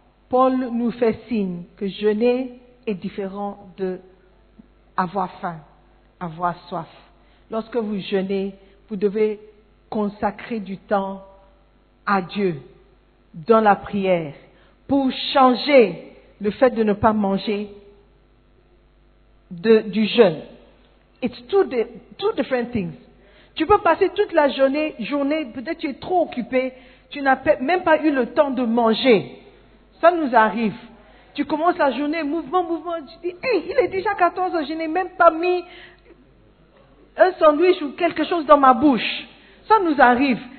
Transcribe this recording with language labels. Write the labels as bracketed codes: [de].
[fr] Paul nous fait signe que jeûner est différent de avoir faim, avoir soif. Lorsque vous jeûnez, vous devez consacrer du temps à Dieu dans la prière pour changer le fait de ne pas manger du jeûne. [en] It's two different things. [fr] Tu peux passer toute la journée, peut-être tu es trop occupé, tu n'as même pas eu le temps de manger. Ça nous arrive. Tu commences la journée, mouvement, tu dis, hey, il est déjà 14 heures, je n'ai même pas mis un sandwich ou quelque chose dans ma bouche. Ça nous arrive.